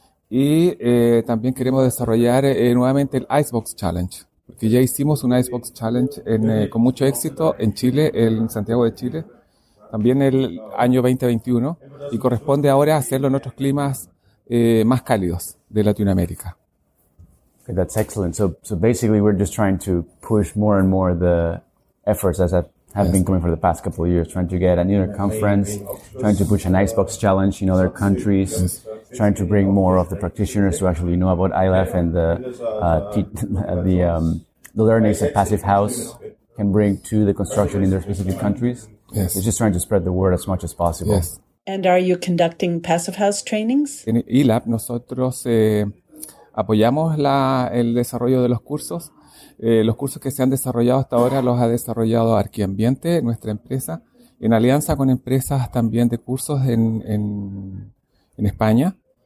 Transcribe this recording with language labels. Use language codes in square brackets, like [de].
[es] Y también queremos desarrollar nuevamente el Icebox Challenge, porque ya hicimos un Icebox Challenge con mucho éxito en Chile, en Santiago de Chile, también el año 2021, y corresponde ahora hacerlo en otros climas más cálidos de Latinoamérica. [en] Okay, that's excellent. So basically we're just trying to push more and more the efforts as have been coming for the past couple of years, trying to get another conference, trying to push an Icebox Challenge in other countries, trying to bring more of the practitioners to actually know about ILAF and the learnings that Passivhaus can bring to the construction in their specific countries. Yes. It's just trying to spread the word as much as possible. Yes. And are you conducting Passivhaus trainings? [es] In ILAF, nosotros apoyamos el desarrollo de los cursos. Los cursos que se han desarrollado hasta ahora los ha desarrollado Arquiambiente, nuestra empresa, en alianza con empresas también de cursos en España.